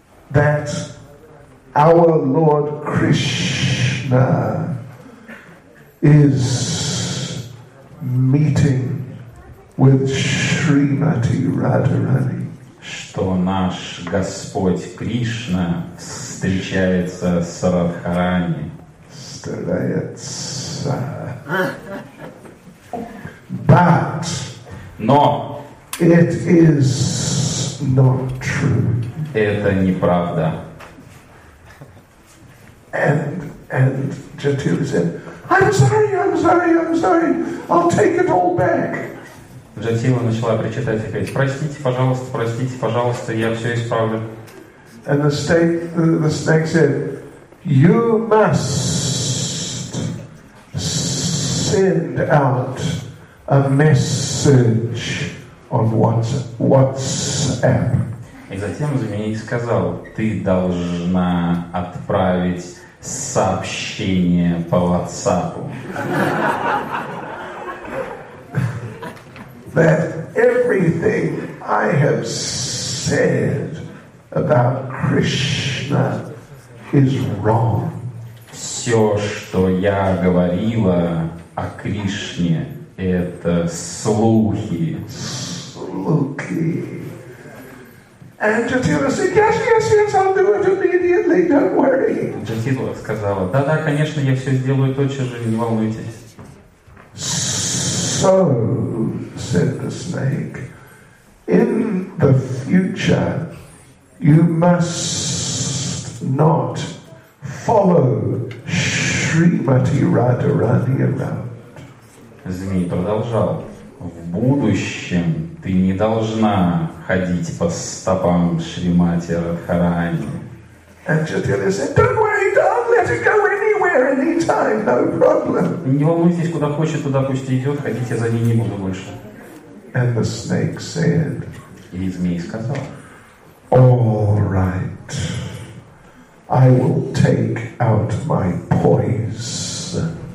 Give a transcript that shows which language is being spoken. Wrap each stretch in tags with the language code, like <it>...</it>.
<en>That our Lord Krishna is meeting with Srimati Radharani.</en> <ru>Что наш Господь Кришна встречается с Радхарани. Встречается.</ru> <en>But</en> <ru>но</ru> <en>it is not true.</en> <ru>Это неправда.</ru> <en>And Jatila said, I'm sorry. I'll take it all back.</en> <ru>Jatila начала причитать и говорить, простите, пожалуйста, я все исправлю.</ru> <en>And the snake said, you must send out a message on WhatsApp.</en> <ru>И затем змей сказал, ты должна отправить сообщение по WhatsApp.</ru> <en>That everything I have said about Krishna is wrong.</en> <ru>Все, что я говорила о Кришне, это слухи. Луки.</ru> <en>And Jatila said, "Yes, yes, yes, I'll do it immediately. Don't worry."</en> <ru>Jatila сказала, да-да, конечно, я все сделаю тотчас же, не волнуйтесь.</ru> <en>So said the snake, "In the future, you must not follow Shrimati Radharani around."</en> <ru>Змей продолжал. В будущем ты не должна ходить по стопам Шримати Радхарани.</ru> <en>And Jatila said, "Don't worry, don't let it go anywhere, anytime, no problem."</en> <ru>Не волнуйтесь, куда хочет, туда пусть идет, ходите за ней, не буду больше.</ru> <en>And the snake said,</en> <ru>и змей сказал,</ru> <en>"All right, I will take out my poison."</en>